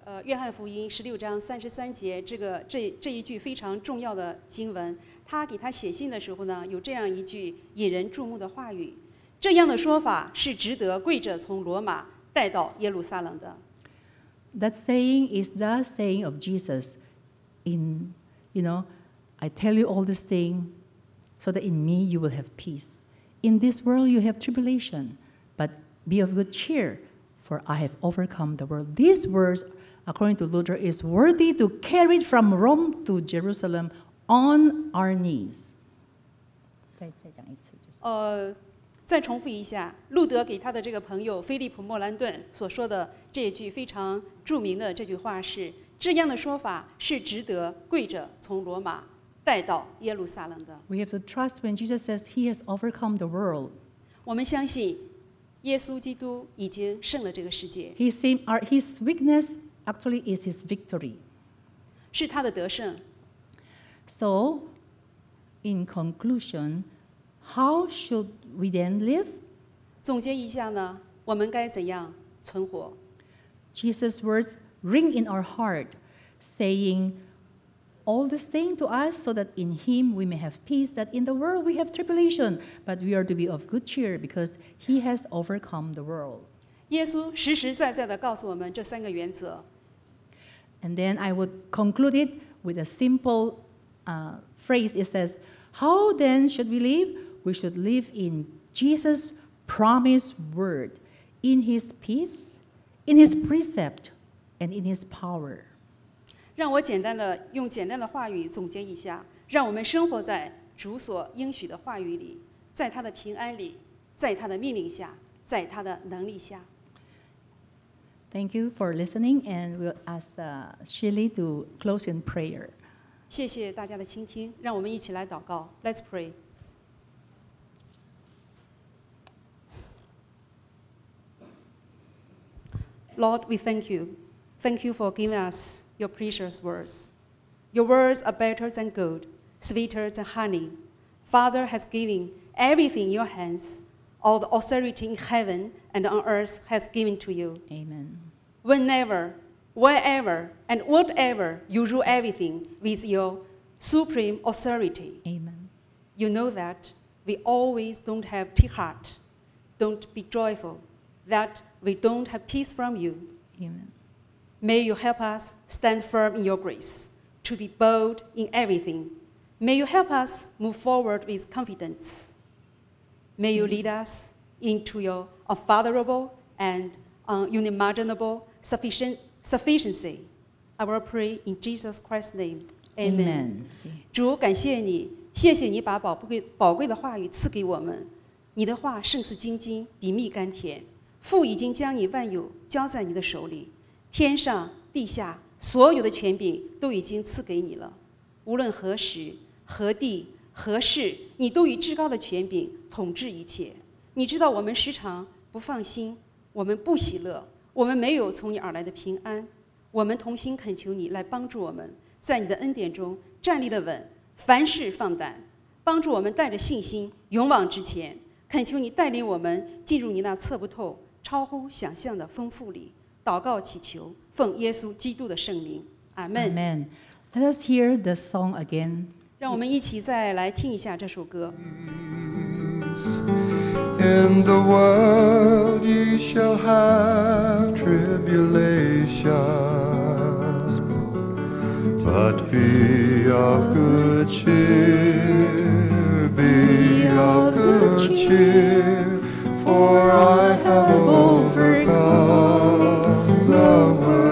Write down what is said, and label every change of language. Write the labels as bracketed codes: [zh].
[zh] 约翰福音十六章三十三节，这一句非常重要的经文，他给他写信的时候呢，有这样一句引人注目的话语，这样的说法是值得跪着从罗马带到耶路撒冷的。 [en] That saying is the saying of Jesus. In, you know, I tell you all these things, so that in me you will have peace. In this world you have tribulation, but be of good cheer, for I have overcome the world. These words. According to Luther, is worthy to carry it from Rome to Jerusalem on our knees. [zh] 再讲一次，就是再重复一下，路德给他的这个朋友菲利普·莫兰顿所说的这句非常著名的这句话是：这样的说法是值得跪着从罗马带到耶路撒冷的。 [en] We have to trust when Jesus says He has overcome the world. [zh] 我们相信耶稣基督已经胜了这个世界。 [en] His weakness. Actually, is his victory. [zh] 是他的得胜。 [en] So, in conclusion, how should we then live? [zh] 总结一下呢，我们该怎样存活？ [en] Jesus' words ring in our heart, saying all these things to us, so that in Him we may have peace. That in the world we have tribulation, but we are to be of good cheer because He has overcome the world. [zh] 耶稣实实在在的告诉我们这三个原则。 [en] And then I would conclude it with a simple phrase. It says, how then should we live? We should live in Jesus' promised word, in his peace, in his precept, and in his power. [zh] 让我简单的用简单的话语总结一下，让我们生活在主所应许的话语里，在他的平安里，在他的命令下，在他的能力下。 [en] Thank you for listening, and we'll ask Shirley to close in prayer. [zh] 谢谢大家的倾听，让我们一起来祷告。 [en] Let's pray. Lord, we thank you. Thank you for giving us your precious words. Your words are better than gold, sweeter than honey. Father has given everything in your hands. All the authority in heaven and on earth has given to you. Amen. whenever, wherever, and whatever, you rule everything with your supreme authority. Amen. You know that we always don't have tea heart, don't be joyful, that we don't have peace from you. Amen. May you help us stand firm in your grace, to be bold in everything. May you help us move forward with confidence. May you lead us into your unfathomable and unimaginable sufficiency. I will pray in Jesus Christ's name. Amen. Amen. [zh] 主，感谢你，谢谢你把宝贵的话语赐给我们。你的话胜似金金，比蜜甘甜。父已经将你万有交在你的手里，天上地下所有的权柄都已经赐给你了。无论何时何地何事，你都以至高的权柄统治一切。你知道我们时常不放心，我们不喜乐，我们没有从你而来的平安。我们同心恳求你来帮助我们，在你的恩典中站立得稳，凡事放胆，帮助我们带着信心勇往直前。恳求你带领我们进入你那测不透超乎想象的丰富里。祷告祈求奉耶稣基督的圣名，阿们。 [en] Amen. Let us hear the song again. [zh] 让我们一起再来听一下这首歌。 [en] In the world you shall have tribulations, but be of good cheer, be of good cheer, for I have overcome the world.